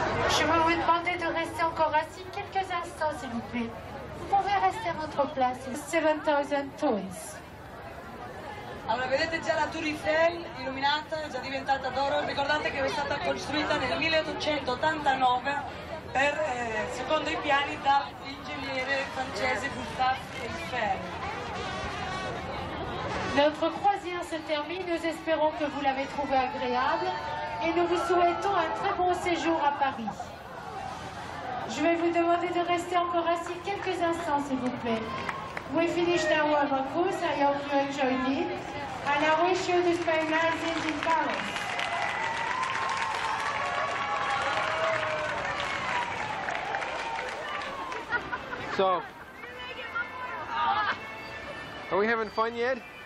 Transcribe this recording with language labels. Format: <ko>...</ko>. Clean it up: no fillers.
<fr>Je vais vous demander de rester encore assis quelques instants, s'il vous plaît. Vous pouvez rester à votre place, 7000 tons.</fr> <it>Allora, vedete già la Tour Eiffel illuminata, è già diventata d'oro. Ricordate che è stata costruita nel 1889 per, secondo i piani, dall'ingegnere francese Gustave Eiffel.</it> <fr>Notre croisière se termine, nous espérons que vous l'avez trouvé agréable et nous vous souhaitons un très bon séjour à Paris. Je vais vous demander de rester encore assis quelques instants, s'il vous plaît.</fr> <en>We finished our cruise, I hope you enjoyed it. And I wish you to spend 9 days in Paris. So, are we having fun yet?</en>